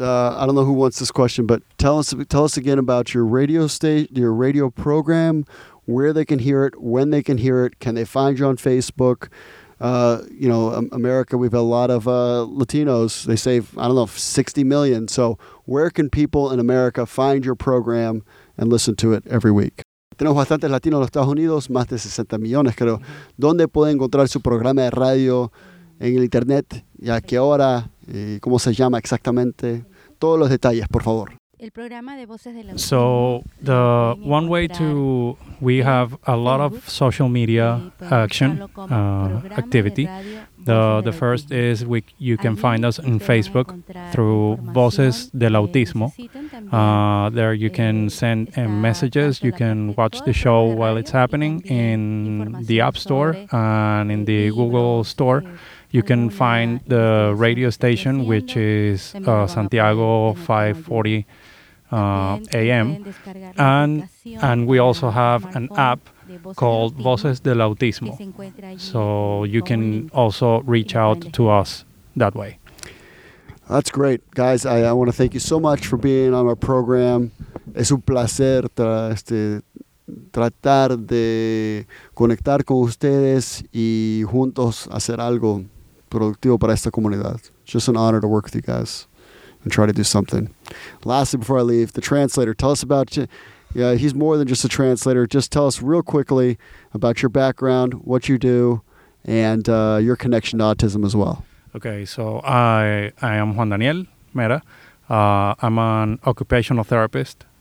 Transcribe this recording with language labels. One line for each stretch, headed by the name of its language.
English: I don't know who wants this question, but tell us again about your radio station, your radio program, where they can hear it, when they can hear it. Can they find you on Facebook? America, we've got a lot of Latinos. They say, 60 million. So where can people in America find your program and listen to it every week?
Spanish: Tenemos bastantes latinos en los Estados Unidos, más de 60 millones, creo. ¿Dónde pueden encontrar su programa de radio en el internet? ¿Y a qué hora? ¿Y cómo se llama exactamente? Todos los detalles, por favor.
English: So the one way to, we have a lot of social media action, activity. The first is you can find us on Facebook through Voces del Autismo. There you can send messages, you can watch the show while it's happening in the App Store and in the Google Store. You can find the radio station, which is Santiago 540. AM, and we also have an app called Voces del Autismo, so you can also reach out to us that way. That's great, guys. I want to thank you so much for being on our program.
Spanish: Es un placer tratar de conectar con ustedes y juntos hacer algo productivo para esta comunidad.
English: Just an honor to work with you guys and try to do something. Lastly, before I leave, the translator. Tell us about you. Yeah, he's more than just a translator. Just tell us real quickly about your background, what you do, and your connection to autism as well. Okay, so I am Juan Daniel Mera. I'm an occupational therapist.